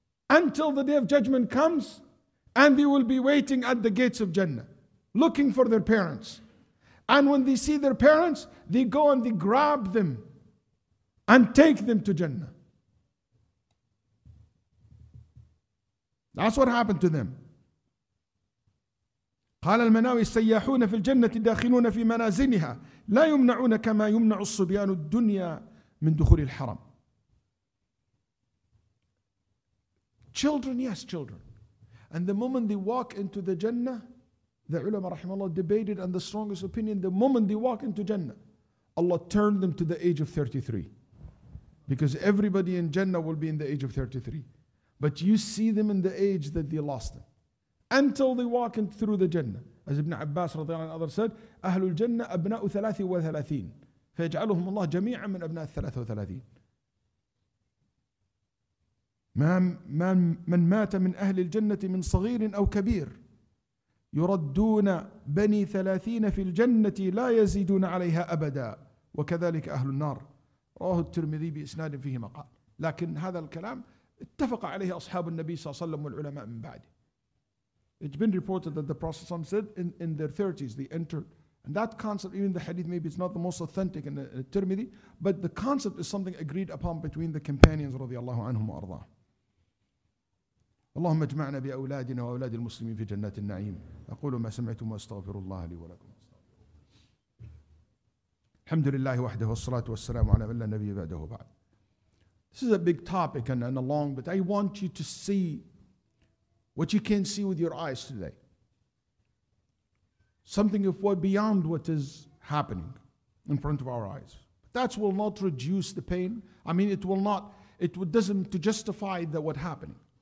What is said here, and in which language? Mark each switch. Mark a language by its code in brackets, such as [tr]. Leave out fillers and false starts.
[en] Until the day of judgment comes, and they will be waiting at the gates of Jannah, looking for their parents. And when they see their parents, they go and they grab them and take them to Jannah. That's what happened to them. [ar] قال المناوي السياحون في الجنة داخلون في منازلها لا يمنعون كما يمنع الصبيان الدنيا من دخول الحرم. [en] Children, yes, children. And the moment they walk into the Jannah, the ulama rahimahullah debated and the strongest opinion, the moment they walk into Jannah, Allah turned them to the age of 33. Because everybody in Jannah will be in the age of 33. But you see them in the age that they lost them. Until they walk in through the Jannah. As Ibn Abbas radiallahu anhu said, [ar] Ahlul Jannah abna'u 33. Fayaj'aluhum Allah jami'an min abna'u 33. من مات من أهل الجنة من صغير أو كبير يردون بني 30 في الجنة لا يزيدون عليها أبدا وكذلك أهل النار. رواه الترمذي بإسناد فيه مقال. لكن هذا الكلام اتفق عليه أصحاب النبي صلى الله عليه وسلم والعلماء من بعده. [en] It's been reported that the Prophet ﷺ said in their 30s they entered. And that concept, even the hadith, maybe it's not the most authentic in the Tirmidhi, but the concept is something agreed upon between the companions [ar] رضي الله عنهم وأرضاه. اللهم اجمعنا بأولادنا وأولاد المسلمين في جنات النعيم. أقول ما سمعتم وأستغفر الله لي ولكم. الحمد لله وحده والصلاة والسلام على من لا نبي بعده وبعد. [en] This is a big topic and a long, but I want you to see what you can see with your eyes today. Something of what beyond what is happening in front of our eyes. That will not reduce the pain. I mean, it will not, it doesn't to justify that what happening.